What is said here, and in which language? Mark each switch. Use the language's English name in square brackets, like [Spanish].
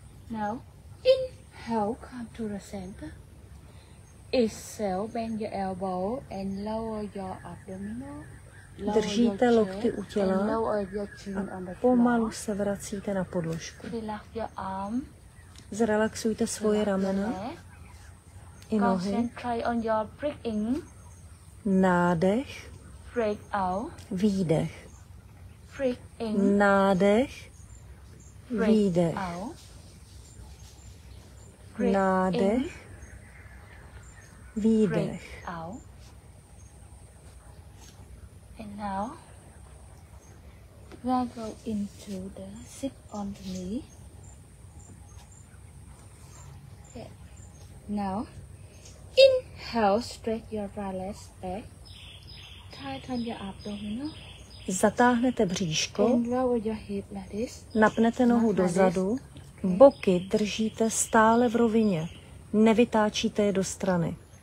[English] Now, inhale, come to the center. Exhale, bend your elbow and lower your abdominal. [Czech] Držíte lokty u těla a pomalu se vracíte na podložku. [English] Relax your arm. [Czech] Zrelaxujte svoje ramena. I nohy. [English] Concentrate on your breathing. [Czech] Nádech. [English] Breathe out. [Czech] Výdech. [English] Breathe in. [Czech] Nádech. Výdech. Nádech. Výdech. [English] And now we'll go into the sit on the knee. Now inhale, stretch your right leg back. Tighten your abdominal. [Czech] Zatáhnete bříško. [English] And lower your hip like this. [Czech] Napnete nohu dozadu. Okay. Boky držíte stále v rovině. Nevytáčíte je do strany.